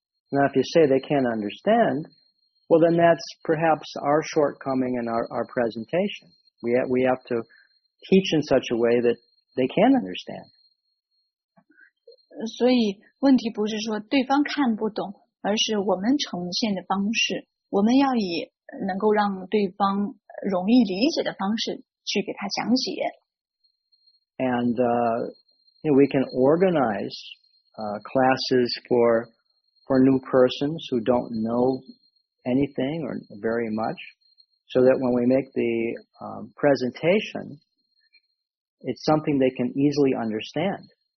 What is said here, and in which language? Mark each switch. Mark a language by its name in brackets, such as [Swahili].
[English] Now, if you say they can't understand, well, then that's perhaps our shortcoming in our presentation. We have to teach in such a way that they can understand. [Chinese] 所以问题不是说对方看不懂，而是我们呈现的方式。我们要以能够让对方容易理解的方式去给他讲解。 [English] And we can organize classes for new persons who don't know anything or very much, so that when we make the presentation, it's something they can easily understand.